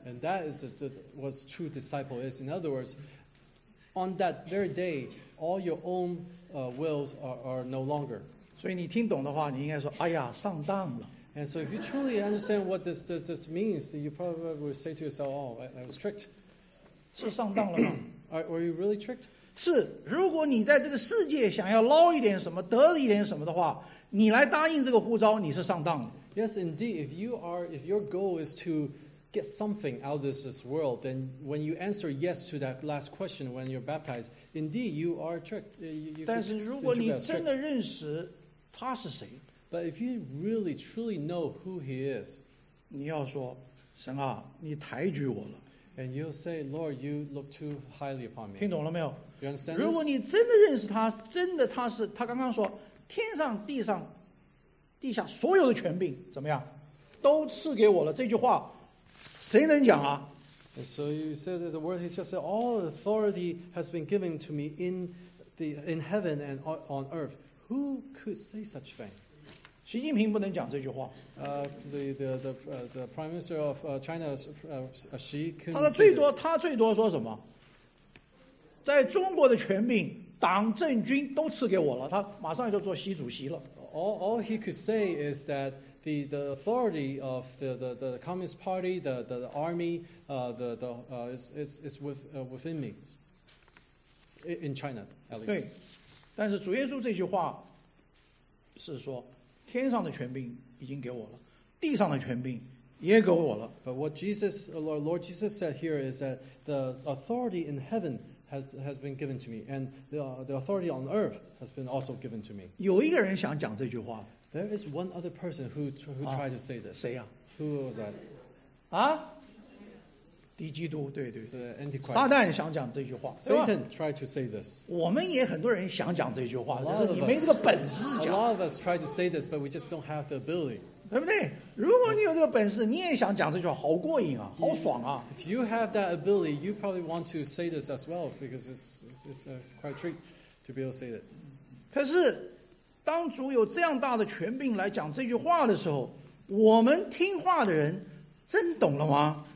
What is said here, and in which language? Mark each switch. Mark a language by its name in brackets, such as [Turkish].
[English] ，and that is what true disciple is. In other words, on that very day, all your own wills are no longer. [Chinese] 所以你听懂的话，你应该说：“哎呀，上当了。” [English] And so, if you truly understand what this means, you probably would say to yourself, "Oh, I was tricked." [Chinese] 是上当了吗 [English] ？Are you really tricked? [Chinese] 是，如果你在这个世界想要捞一点什么，得一点什么的话，你来答应这个呼召，你是上当的。 [English] Yes, indeed. If your goal is to get something out of this world, then when you answer yes to that last question when you're baptized, indeed, you are tricked. [Chinese] 但是如果你真的认识他是谁。 [English] But if you really truly know who he is, [Chinese] 你要说，神啊，你抬举我了。 [English] And you'll say, Lord, you look too highly upon me. [Chinese] 听懂了没有？ [English] You understand? [Chinese] 如果你真的认识他，真的他是，他刚刚说，天上地上，地下所有的权柄怎么样，都赐给我了。这句话，谁能讲啊？ [English] So you said that the word, he just said, all authority has been given to me in heaven and on earth. Who could say such thing? [Chinese] 习近平不能讲这句话。 [English] The Prime Minister of China, Xi, can say this. [Chinese] 他最多说什么？在中国的权柄，党政军都赐给我了。他马上就做习主席了。 [English] All he could say is that,The authority of the Communist Party, the army, is within me. In China, at least. [Chinese] 对，但是主耶稣这句话是说，天上的权柄已经给我了，地上的权柄也给我了。 [English] But what Lord Jesus said here is that the authority in heaven has been given to me, and the authority on earth has been also given to me. [Chinese] 有一个人想讲这句话。 [English] There is one other person who tried to say this. [Chinese] 谁呀？ [English] Who was that? [Chinese] 啊？敌基督，对对。 [English] So Antichrist. [Chinese] 撒旦想讲这句话。 [English] Satan tried to say this. [Chinese] 我们也很多人想讲这句话，但是你没这个本事讲。 [English] A lot of us try to say this, but we just don't have the ability. [Chinese] 对不对？如果你有这个本事，你也想讲这句话，好过瘾啊，好爽啊。 [English] If you have that ability, you probably want to say this as well, because it's quite a treat to be able to say it. [Chinese] 可是。当主有这样大的权柄来讲这句话的时候，我们听话的人真懂了吗？